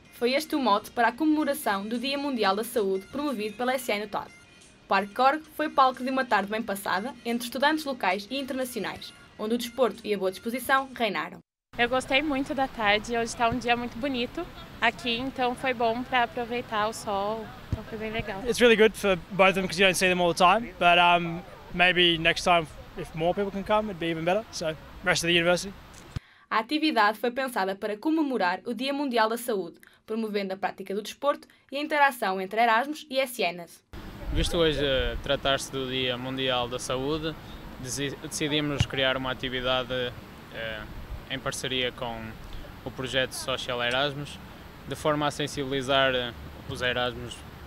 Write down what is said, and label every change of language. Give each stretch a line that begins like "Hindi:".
Portuguese: Foi este o mote para a comemoração do Dia Mundial da Saúde promovido pela ESN TAD. O Parque Corgo foi palco de uma tarde bem passada entre estudantes locais e internacionais, onde o desporto e a boa disposição reinaram. Eu gostei muito da tarde. Hoje está um dia muito bonito aqui, então foi bom para aproveitar o sol. Então foi bem legal.
English: It's really good for both of them because you don't see them all the time, but maybe next time if more people can come, it'd be even better. So, rest of the university.
Portuguese: A atividade foi pensada para comemorar o Dia Mundial da Saúde, promovendo a prática do desporto e a interação entre Erasmus e ESNs. Visto hoje tratar-se do Dia Mundial da Saúde, decidimos criar uma atividade em parceria com o projeto Social Erasmus, de forma a sensibilizar os Erasmus